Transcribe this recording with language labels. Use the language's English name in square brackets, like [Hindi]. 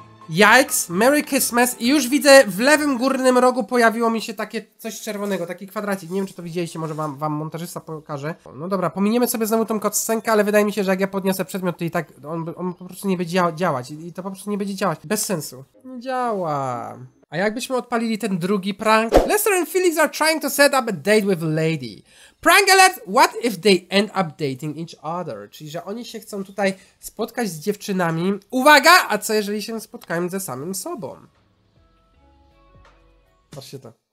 [Polish] Yikes, Merry Christmas i już widzę w lewym górnym rogu pojawiło mi się takie coś czerwonego, taki kwadracik. Nie wiem, czy to widzieliście, może wam montażysta pokaże. No dobra, pominiemy sobie znowu tą cutscenkę, ale wydaje mi się, że jak ja podniosę przedmiot, to i tak on po prostu nie będzie działać. I to po prostu nie będzie działać. Bez sensu. Nie działa. A jakbyśmy odpalili ten drugi prank? [English] Lester and Felix are trying to set up a date with a lady. Prank alert, what if they end up dating each other? [Polish] Czyli, że oni się chcą tutaj spotkać z dziewczynami. Uwaga, a co jeżeli się spotkają ze samym sobą? Patrzcie to.